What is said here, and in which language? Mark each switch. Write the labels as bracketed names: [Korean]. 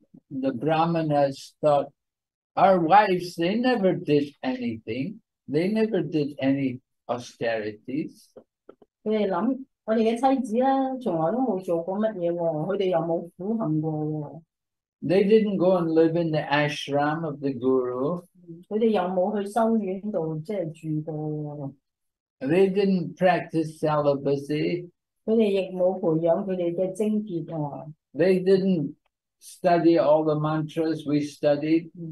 [English] The Brahmanas thought, our wives, they never did anything. They never did any austerities. [Chinese] 他們想,我們的妻子從來都沒有做過什麼, [English] they didn't go and live in the ashram of the guru. They didn't practice celibacy. They didn't study all the mantras we studied.